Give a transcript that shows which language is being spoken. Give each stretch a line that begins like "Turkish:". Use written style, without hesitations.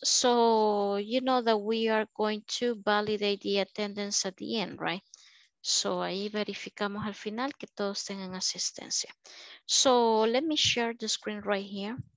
English: So you know that we are going to validate the attendance at the end, right?
Spanish: So ahí verificamos al final que todos tengan asistencia.
English: So let me share the screen right here.